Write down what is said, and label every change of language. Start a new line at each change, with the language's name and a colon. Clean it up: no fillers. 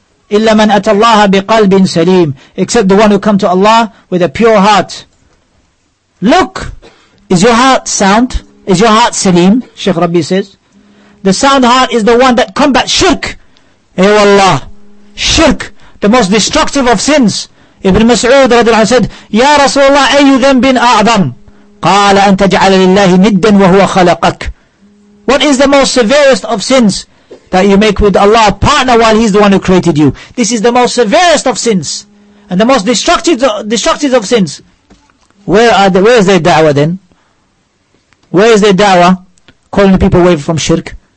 Arabic: إِلَّا مَنْ أَتَى اللَّهَ بِقَلْبٍ سَلِيمٍ.
English: Except the one who come to Allah with a pure heart. Look, is your heart sound? Is your heart salim? Shaykh Rabbi says. The sound heart is the one that combats shirk. Ey Allah, shirk, the most destructive of sins. Ibn Mas'ud radiallahu said,
Arabic: يَا رَسُولَ اللَّهِ أَيُّ ذَنْبٍ أَعْظَمٍ قَالَ أَنْ تَجْعَلَ لِلَّهِ نِدًّا وَهُوَ خَلَقَكَ.
English: What is the most severest of sins that you make with Allah a partner while He's the one who created you? This is the most severest of sins and the most destructive of sins. Where is their da'wah then? Where is their da'wah calling people away from shirk?